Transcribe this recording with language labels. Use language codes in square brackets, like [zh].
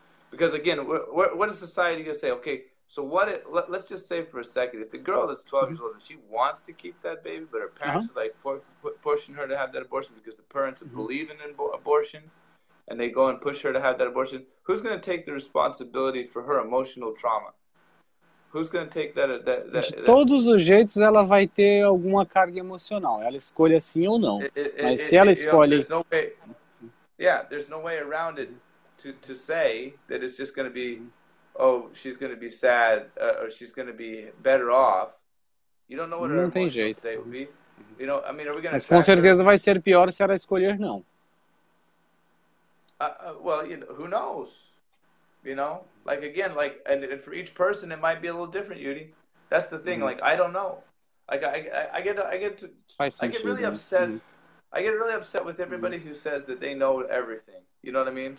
[en] Because again, what is society gonna say? Okay, so what? Let's just say for a second, if the girl is 12 years old and she wants to keep that baby, but her parents are like pushing her to have that abortion because the parents believe in abortion, and they go and push her to have that abortion, who's gonna take the responsibility for her emotional trauma? Who's gonna take that? [pt] De todos os jeitos, ela vai ter alguma carga emocional. Ela escolhe assim ou não. Mas se ela escolhe... [en] You know, there's no way around it to say that it's just gonna be, oh, she's gonna be sad, or she's gonna be better off. You don't know what her emotional state will be. You know, I mean, are we gonna... [pt] Mas com certeza vai ser pior se ela escolher não. [en] Well, you know, who knows? You know, like again, like, and for each person, it might be a little different, Yudi. That's the thing. Like, I don't know. Like, I get really upset. I get really upset with everybody who says that they know everything. You know what I mean?